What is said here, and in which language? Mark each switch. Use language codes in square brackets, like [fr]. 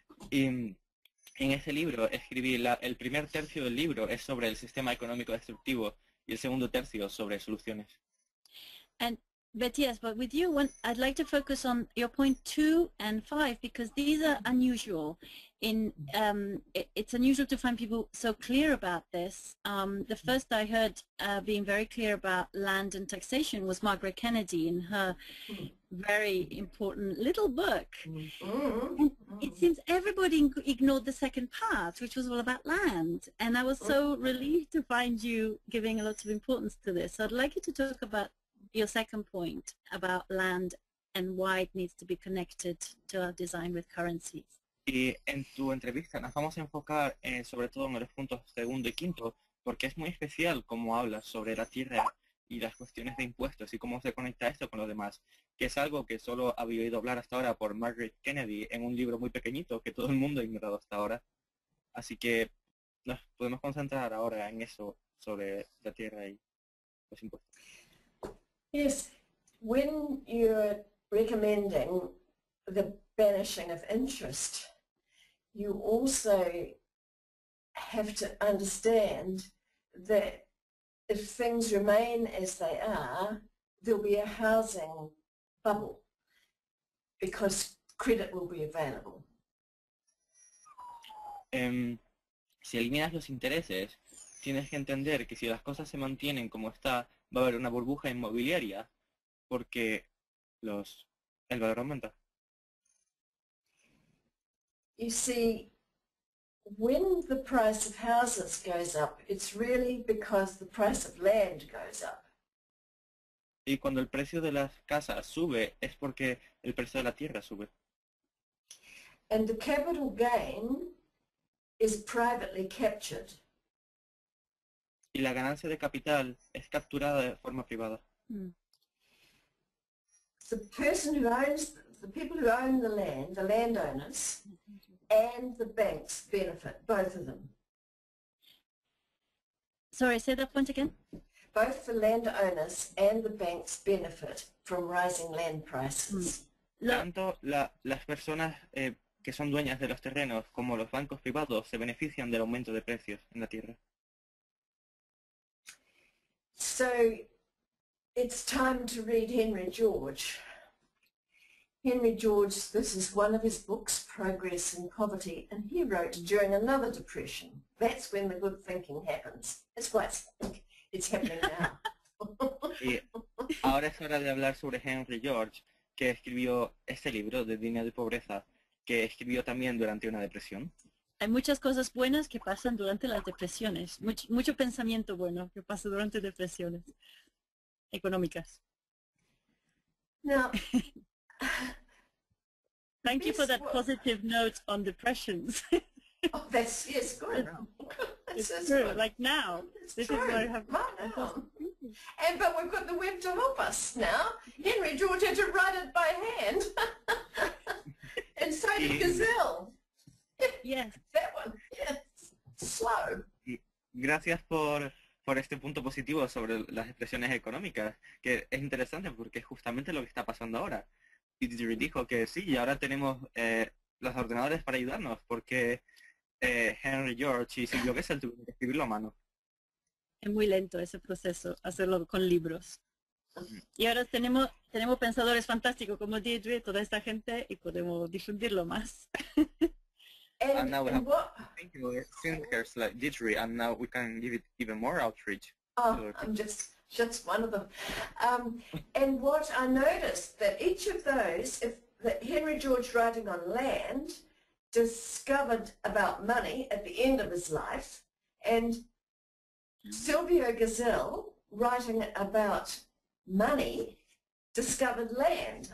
[es] En ese libro escribí el primer tercio del libro es sobre el sistema económico destructivo y el segundo tercio sobre soluciones. [en] And But yes, but with you, I'd like to focus on your point 2 and 5, because these are unusual. It's unusual to find people so clear about this. The first I heard being very clear about land and taxation was Margaret Kennedy in her very important little book. And it seems everybody ignored the second part, which was all about land. And I was so relieved to find you giving a lot of importance to this. So I'd like you to talk about your second point about land and why it needs to be connected to our design with currencies. [es] Y en tu entrevista nos vamos a enfocar sobre todo en los puntos segundo y quinto, porque es muy especial cómo hablas sobre la tierra y las cuestiones de impuestos y cómo se conecta esto con lo demás, que es algo que solo había oído hablar hasta ahora por Margaret Kennedy en un libro muy pequeñito que todo el mundo ha ignorado hasta ahora. Así que nos podemos concentrar ahora en eso sobre la tierra y los impuestos. [en] Yes, when you're recommending the banishing of interest, you also have to understand that if things remain as they are, there'll be a housing bubble because credit will be available. [es] Si eliminas los intereses, tienes que entender que si las cosas se mantienen como está, va a haber una burbuja inmobiliaria porque el valor aumenta. [en] You see, when the price of houses goes up, it's really because the price of land goes up. [es] Y cuando el precio de las casas sube, es porque el precio de la tierra sube. [en] And the capital gain is privately captured. [es] Y la ganancia de capital es capturada de forma privada. [en] The person who owns, the people who own the landowners, and the banks benefit, both of them. Sorry, say that point again. Both the landowners and the banks benefit from rising land prices. [es] Tanto las personas que son dueñas de los terrenos como los bancos privados se benefician del aumento de precios en la tierra. [en] So it's time to read Henry George. Henry George, this is one of his books, Progress in Poverty, and he wrote during another depression. That's when the good thinking happens. It's happening now. [es] Y ahora es hora de hablar sobre Henry George, que escribió este libro de Dinero y Pobreza, que escribió también durante una depresión. Hay muchas cosas buenas que pasan durante las depresiones, mucho pensamiento bueno que pasa durante depresiones económicas. [en] Now, thank you for that positive note on depressions. Oh, that's, yes, good. It's true, good. Like now. It's this true. Is what I have. Right now. And, but we've got the web to help us now. Henry George had to write it by hand. And so did Gazelle. Yes. That one. Yes. Slow. [es] Gracias por este punto positivo sobre las expresiones económicas, que es interesante porque es justamente lo que está pasando ahora. Y Deirdre dijo que sí, y ahora tenemos los ordenadores para ayudarnos, porque Henry George y Silvio Gesell tuvieron que escribirlo a mano. Es muy lento ese proceso, hacerlo con libros. Y ahora tenemos pensadores fantásticos como Deirdre, toda esta gente, y podemos difundirlo más. [en] And now thinkers like Deirdre, and now we can give it even more outreach. Oh, I'm just one of them. And what I noticed that each of those, that Henry George writing on land discovered about money at the end of his life, and Silvio Gesell writing about money discovered land.